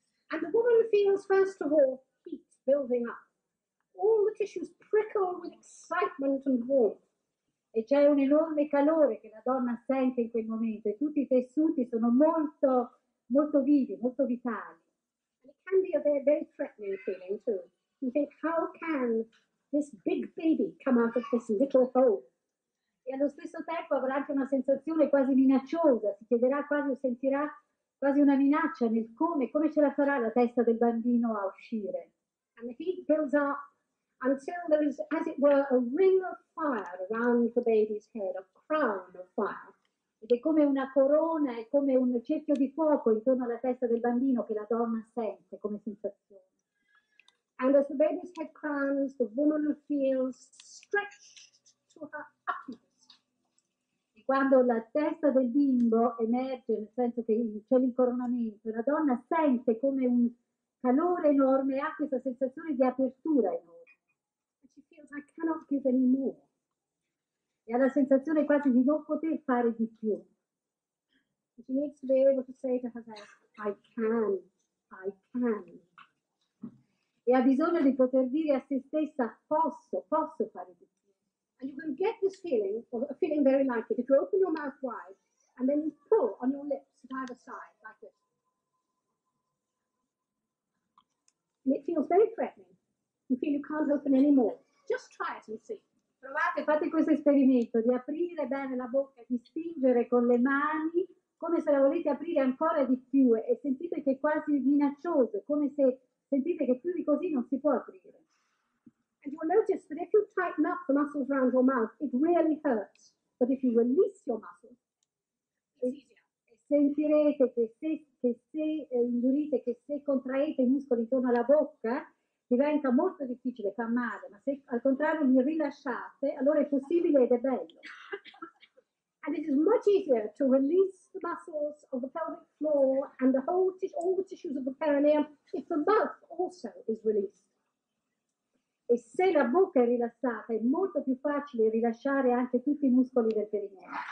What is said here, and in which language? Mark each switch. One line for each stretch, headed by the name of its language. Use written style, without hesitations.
English: And the woman feels, first of all, heat building up. All the tissues prickle with excitement and warmth.
Italian: E c'è un enorme calore che la donna sente in quel momento e tutti i tessuti sono molto, molto vivi, molto vitali.
English: And it can be a very, very threatening feeling too. You think, how can this big baby come out of this little hole?
Italian: E allo stesso tempo avrà anche una sensazione quasi minacciosa, si chiederà quasi o sentirà quasi una minaccia nel come ce la farà la testa del bambino a uscire.
English: And the heat builds up until there is, as it were, a ring of fire around the baby's head, a crown of fire.
Italian: Ed è come una corona, è come un cerchio di fuoco intorno alla testa del bambino che la donna sente come sensazione.
English: And as the baby's head crowns, the woman feels stretched to her utmost.
Italian: E quando la testa del bimbo emerge, nel senso che c'è l'incoronamento, la donna sente come un calore enorme e ha questa sensazione di apertura enorme.
English: And she feels, I cannot give any more.
Italian: E ha la sensazione quasi di non poter fare di più.
English: She needs to be able to say to herself, I can, I can.
Italian: E ha bisogno di poter dire a se stessa, posso, posso fare di più.
English: And you can get this feeling, or a feeling very like it, if you open your mouth wide and then you pull on your lips at either side, like this. And it feels very threatening. You feel you can't open anymore. Just try it and see.
Italian: Provate, fate questo esperimento di aprire bene la bocca, di spingere con le mani come se la volete aprire ancora di più e sentite che è quasi minaccioso, come se sentite che più di così non si può aprire.
English: And you'll notice that if you tighten up the muscles around your mouth, it really hurts. But if you release your muscles,
Italian: sentirete che se indurite, che se contraete i muscoli intorno alla bocca, diventa molto difficile, fa male, ma se al contrario li rilasciate, allora è possibile ed è bello.
English: And it is much easier to release the muscles of the pelvic floor and the whole all the tissues of the perineum if the mouth also is released.
Italian: E se la bocca è rilassata, è molto più facile rilasciare anche tutti i muscoli del perineo.